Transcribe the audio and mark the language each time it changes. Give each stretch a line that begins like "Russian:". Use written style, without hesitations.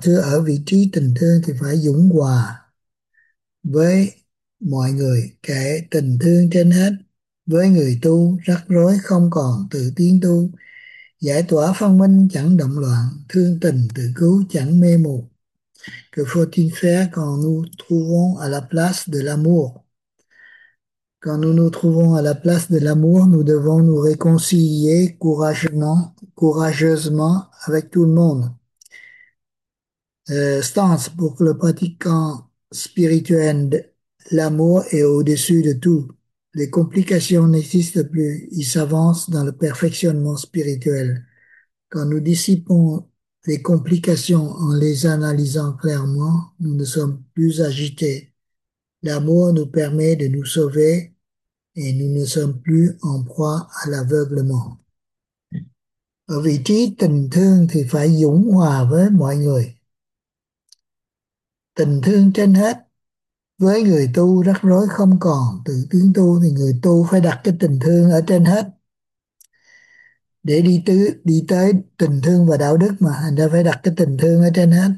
Vietnamese: Thưa, ở vị trí tình thương thì phải dũng hòa với mọi người, kể tình thương trên hết. Với người tu, rắc rối không còn tự tiến tu. Giải tỏa phân minh chẳng động loạn, thương tình tự cứu chẳng mê mù.
French: Que faut-il faire quand nous trouvons à la place de l'amour? Quand nous nous trouvons à la place de l'amour, nous devons nous réconcilier courageusement avec tout le monde. Stance, pour le pratiquant spirituel, l'amour est au-dessus de tout. Les complications n'existent plus. Il s'avance dans le perfectionnement spirituel. Quand nous dissipons les complications en les analysant clairement, nous ne sommes plus agités. L'amour nous permet de nous sauver et nous ne sommes plus en proie à l'aveuglement.
Vietnamese: Ở vị trí tình thương thì phải dũng hòa với mọi người. Tình thương trên hết. Với người tu rắc rối không còn tự tiến tu, thì người tu phải đặt cái tình thương ở trên hết. để đi tới tình thương và đạo đức mà, thành ra phải đặt cái tình thương ở trên hết.